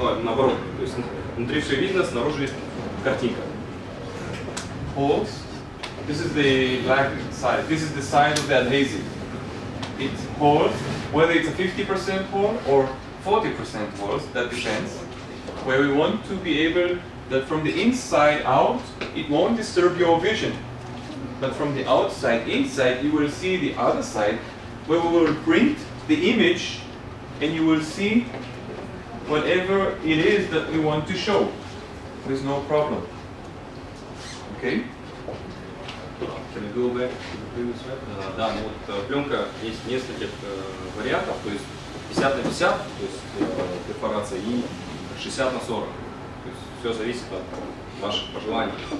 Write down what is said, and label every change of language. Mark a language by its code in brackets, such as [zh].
[ru] А, наоборот, то есть внутри все видно, снаружи картинка. [en] Holes. This is the black side. This is the side of the adhesive. It holds. Whether it's a 50% hole or 40% holes, that depends, where we want to be able that from the inside out it won't disturb your vision, but from the outside inside you will see the other side where we will print the image and you will see whatever it is that we want to show. There's no problem. Okay? Can I go back to the previous map? [ru] Да, ну вот пленка есть нескольких вариантов, то есть 50 на 50, то есть перфорация, и 60 на 40. То есть все зависит от ваших пожеланий.